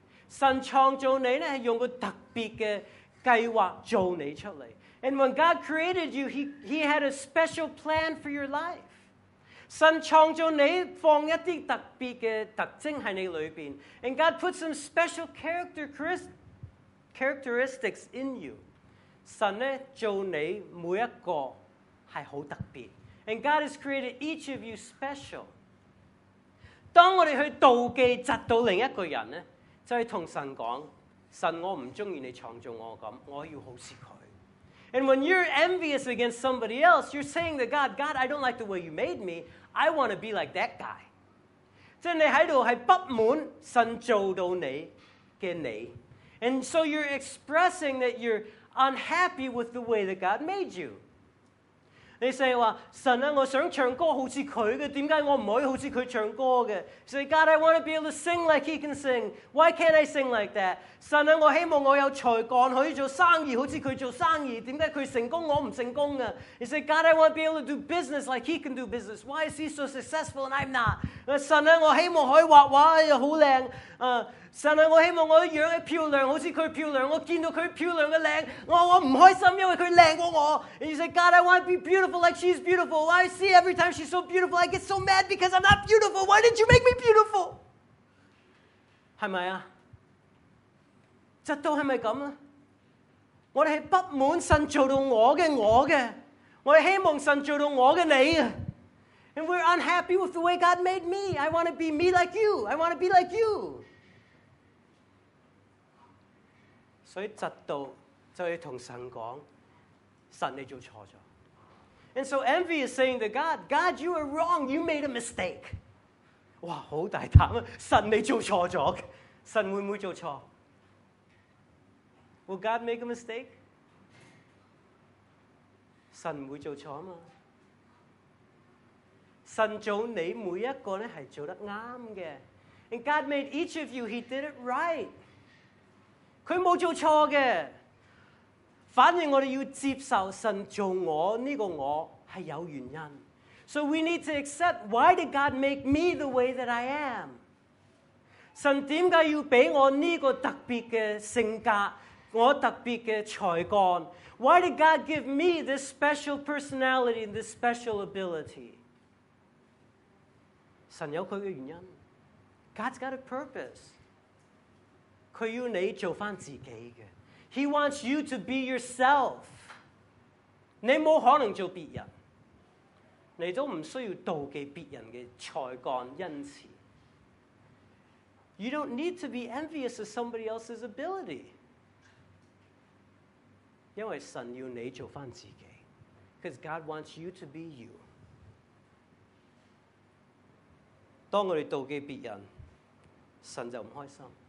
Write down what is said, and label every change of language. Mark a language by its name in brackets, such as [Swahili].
[Cantonese] 神創造你咧，係用個特別嘅計劃做你出嚟。 [English] And when God created you, He had a special plan for your life. [Cantonese] 神創造你，放一啲特別嘅特徵喺你裏邊。 [English] And God put some special characteristics in you. [Cantonese] 神咧做你每一個係好特別。 [English] And God has created each of you special. [Cantonese] 當我哋去妒忌、嫉妒另一個人咧。就係同神講，神我唔中意你創造我咁，我要好似佢。 [English] And when you're envious against somebody else, you're saying to God, God, I don't like the way you made me. I want to be like that guy. [Cantonese] 即係你喺度係不滿神做到你嘅你。 [English] And so you're expressing that you're unhappy with the way that God made you. [Cantonese] 你成日話神啊，我想唱歌好似佢嘅，點解我唔可以好似佢唱歌嘅 [English] ？Say God, I want to be able to sing like He can sing. Why can't I sing like that? [Cantonese] 神啊，我希望我有才幹可以做生意，好似佢做生意，點解佢成功我唔成功啊 [English] ？You say God, I want to be able to do business like He can do business. Why is He so successful and I'm not? [Cantonese] 神啊，我希望可以畫畫又好靚啊！神啊，我希望我的樣子漂亮，好似佢漂亮。我見到佢漂亮嘅靚，我唔開心，因為佢靚過我。 [English] And you say, God, I want to be beautiful like she's beautiful. Well, I see every time she's so beautiful, I get so mad because I'm not beautiful. Why didn't you make me beautiful? [Cantonese] 係咪啊？嫉妒係咪咁啊？我哋係不滿神做到我嘅我嘅，我哋希望神做到我嘅你啊。 [English] And we're unhappy with the way God made me. I want to be me like you. I want to be like you. [Cantonese] 所以嫉妒就要同神讲，神你做错咗。 [English] And so envy is saying to God, God, you are wrong. You made a mistake. [Cantonese] 哇，好大胆啊！神你做错咗，神会唔会做错 [English] ？Will God make a mistake? [Cantonese] 神唔会做错啊嘛。神做你每一个咧系做得啱嘅。 [English] And God made each of you. He did it right. [Cantonese] 佢冇做錯嘅，反而我哋要接受神做我呢個我係有原因。 [English] So we need to accept why did God make me the way that I am? [Cantonese] 神點解要俾我呢個特別嘅性格，我特別嘅才幹 [English] ？Why did God give me this special personality and this special ability? [Cantonese] 神有佢嘅原因 [English] ，God's got a purpose. [Cantonese] 佢要你做翻自己嘅 [English] ，He wants you to be yourself。 [Cantonese] 你冇可能做别人，你都唔需要妒忌别人嘅才干恩赐。 [English] You don't need to be envious of somebody else's ability， [Cantonese] 因为神要你做翻自己 [English] ，Because God wants you to be you。 [Cantonese] 当我哋妒忌别人，神就唔开心。